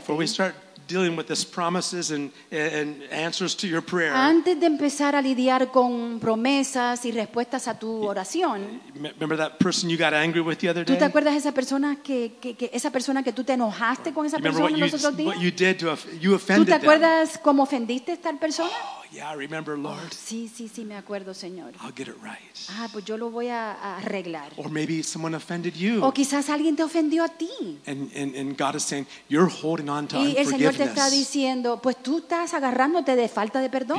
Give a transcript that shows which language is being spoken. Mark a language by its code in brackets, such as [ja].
[en] Before we start dealing with these promises and answers to your prayer. [es] Antes de empezar a lidiar con promesas y respuestas a tu oración. [en] Remember that person you got angry with the other day? [es] ¿Tú te acuerdas esa persona que tú te enojaste con esa persona los otros días? [en] What you did to you offended them? [es] ¿Tú te acuerdas [en] them? [es] Cómo ofendiste a esta persona? [en] Oh, yeah, I remember, Lord. [es] Sí, sí, sí, me acuerdo, Señor. [en] I'll get it right. [es] Ah, pues yo lo voy a arreglar. [en] Or maybe someone offended you. [es] O quizás alguien te ofendió a ti. [en] And God is saying, you're holding on to unforgiveness. [es] Señor te está diciendo, pues tú estás agarrándote de falta de perdón.